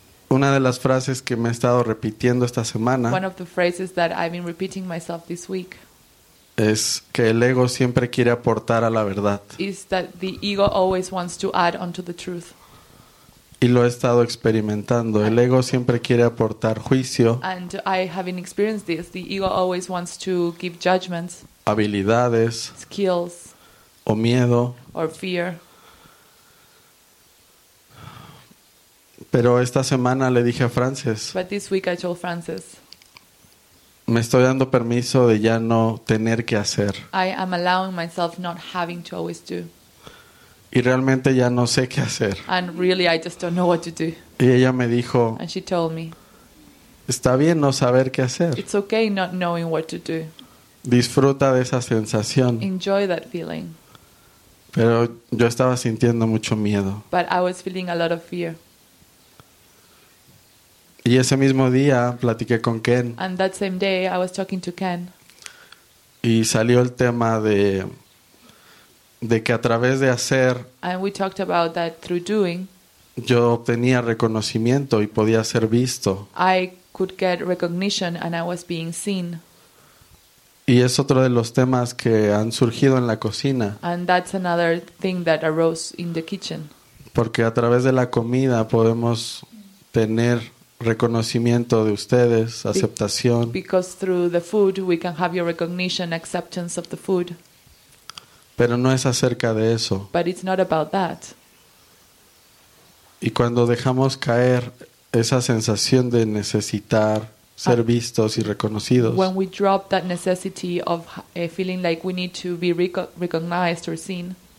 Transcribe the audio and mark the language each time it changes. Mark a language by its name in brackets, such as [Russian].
[Spanish] Una de las frases que me he estado repitiendo esta semana, [English] one of the phrases that I've been repeating myself this week, [Spanish] es que el ego siempre quiere aportar a la verdad. [English] Is that the ego always wants to add onto the truth. [Spanish] Y lo he estado experimentando. El ego siempre quiere aportar juicio. [English] And I have been experienced this. The ego always wants to give judgments. [Spanish] Habilidades. [English] Skills. [Spanish] O miedo. [English] Or fear. [Spanish] Pero esta semana le dije a Frances. [English] But this week I told Frances. [Spanish] Me estoy dando permiso de ya no tener que hacer. [English] I am allowing myself not having to always do. [Spanish] Y realmente ya no sé qué hacer. [English] And really I just don't know what to do. [Spanish] Y ella me dijo, [English] and she told me, [Spanish] está bien no saber qué hacer. [English] It's okay not knowing what to do. [Spanish] Disfruta de esa sensación. [English] Enjoy that feeling. [Spanish] Pero yo estaba sintiendo mucho miedo. [English] But I was feeling a lot of fear. [Spanish] Y ese mismo día platiqué con Ken. [English] And that same day I was talking to Ken. [Spanish] Y salió el tema de que a través de hacer, [English] and we talked about that through doing, [Spanish] yo obtenía reconocimiento y podía ser visto. [English] I could get recognition and I was being seen. [Spanish] Y es otro de los temas que han surgido en la cocina. [English] And that's another thing that arose in the kitchen. [Spanish] Porque a través de la comida podemos tener reconocimiento de ustedes, aceptación. [English] Because through the food we can have your recognition, acceptance of the food. [Spanish] Pero no es acerca de eso. [English] But it's not about that. [Spanish] Y cuando dejamos caer esa sensación de necesitar ser vistos y reconocidos. [English] When we drop that necessity of feeling like we need to be recognized or seen.